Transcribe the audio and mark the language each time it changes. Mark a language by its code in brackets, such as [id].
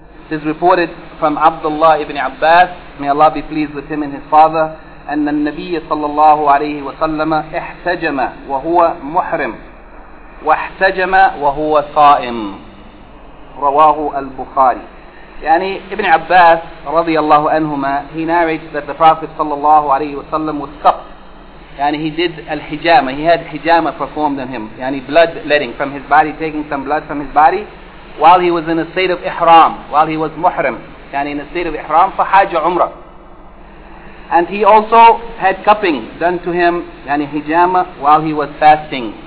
[en] It is reported from Abdullah ibn Abbas, may Allah be pleased with him and his father, and the [ar] Nabiya sallallahu alayhi wa sallam ihtajama wa huwa muhrim wa ihtajama wa huwa sa'im. Rawahu al-Bukhari. يعني ابن عباس رضي الله عنهما, [en] he narrates that the Prophet صلى الله عليه وسلم was cupped. يعني he did الحجامة, he had حجامة performed on him. يعني blood letting from his body, taking some blood from his body while he was in a state of إحرام, while he was محرم. يعني in a state of إحرام [ar] فحاج عمره. [en] And he also had cupping done to him, يعني حجامة, while he was fasting.